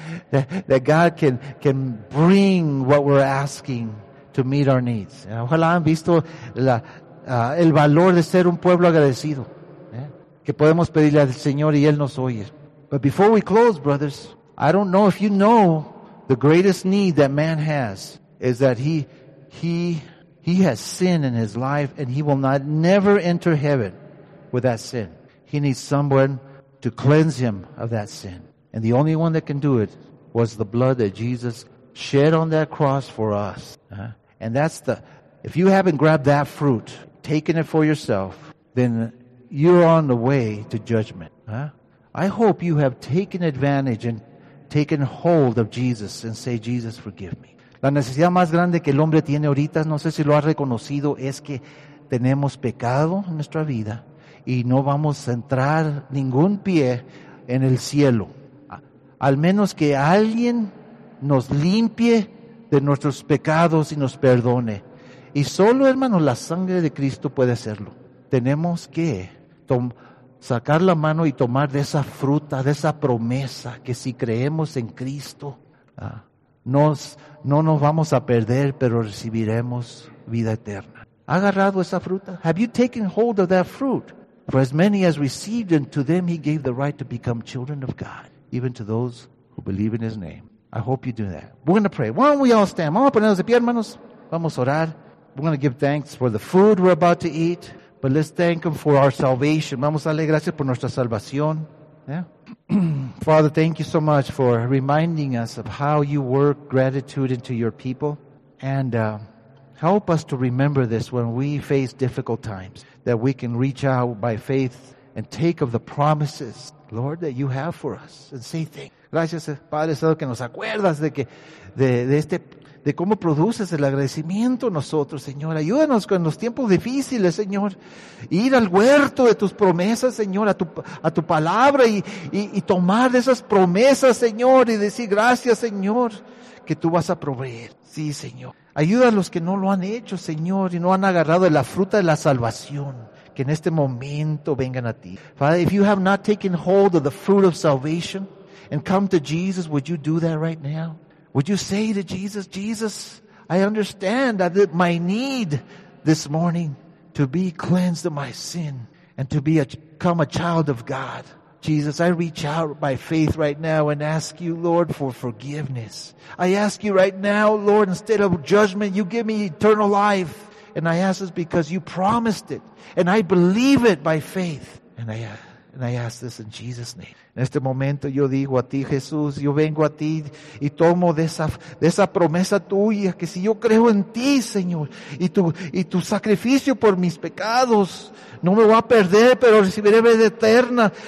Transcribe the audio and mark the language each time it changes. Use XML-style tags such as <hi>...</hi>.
<en>that God can bring what we're asking to meet our needs.</en> <es>Ojalá han visto el valor de ser un pueblo agradecido. Que podemos pedirle al Señor y Él nos oye.</es> <en>But before we close, brothers, I don't know if you know the greatest need that man has is that he has sin in his life and he will never enter heaven with that sin. He needs someone to cleanse him of that sin. And the only one that can do it was the blood that Jesus shed on that cross for us. And that's if you haven't grabbed that fruit, taken it for yourself, then you're on the way to judgment. I hope you have taken advantage and taken hold of Jesus and say, Jesus, forgive me.</en> <es>La necesidad más grande que el hombre tiene ahorita, no sé si lo ha reconocido, es que tenemos pecado en nuestra vida y no vamos a entrar ningún pie en el cielo. Al menos que alguien nos limpie de nuestros pecados y nos perdone. Y solo, hermanos, la sangre de Cristo puede hacerlo. Tenemos que sacar la mano y tomar de esa fruta, de esa promesa, que si creemos en Cristo, no nos vamos a perder, pero recibiremos vida eterna. ¿Ha agarrado esa fruta?</es> <en>Have you taken hold of that fruit? For as many as received him, to them he gave the right to become children of God, even to those who believe in his name. I hope you do that. We're going to pray. Why don't we all stand?</en> <es>Vamos a ponernos de pie, hermanos. Vamos a orar.</es> <en>We're going to give thanks for the food we're about to eat. But let's thank Him for our salvation.</en> <es>Vamos a darle gracias por nuestra salvación.</es> <en>Yeah. Father, thank you so much for reminding us of how you work gratitude into your people. And help us to remember this when we face difficult times, that we can reach out by faith and take of the promises, Lord, that you have for us. And say thank you.</en> <es>Gracias, Padre Santo, que nos acuerdas de que de cómo produces el agradecimiento en nosotros, Señor. Ayúdanos en los tiempos difíciles, Señor. Ir al huerto de tus promesas, Señor, a tu palabra y tomar de esas promesas, Señor, y decir gracias, Señor, que tú vas a proveer. Sí, Señor. Ayuda a los que no lo han hecho, Señor, y no han agarrado de la fruta de la salvación, que en este momento vengan a ti.</es> <en>Father, if you have not taken hold of the fruit of salvation and come to Jesus, would you do that right now? Would you say to Jesus, Jesus, I understand that my need this morning to be cleansed of my sin and to become a child of God. Jesus, I reach out by faith right now and ask you, Lord, for forgiveness. I ask you right now, Lord, instead of judgment, you give me eternal life. And I ask this because you promised it. And I believe it by faith. And I ask this in Jesus' name.</en> <es>En este momento yo digo a ti, Jesús, yo vengo a ti y tomo de esa promesa tuya, que si yo creo en ti, Señor, y tu sacrificio por mis pecados, no me voy a perder, pero recibiré vida eterna.</es>